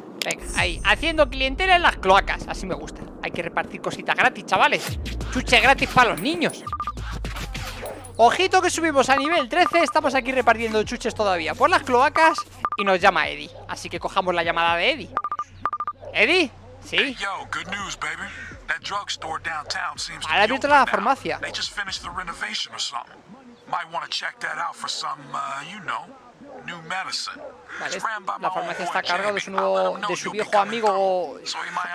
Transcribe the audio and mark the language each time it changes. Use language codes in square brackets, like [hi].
[es] Venga, ahí, haciendo clientela en las cloacas. Así me gusta, hay que repartir cositas gratis, chavales. Chuche gratis para los niños. Ojito que subimos a nivel 13. Estamos aquí repartiendo chuches todavía por las cloacas. Y nos llama Eddie. Así que cojamos la llamada de Eddie. [en] ¿Eddie? Sí. Hey, yo, good news, baby. That drugstore downtown seems to be open now. [es] La farmacia. [en] They just finished the renovation or something. Might want to check that out for some, you know, new medicine. [es] Vale, la farmacia está cargada de su nuevo, de su viejo amigo Jamie.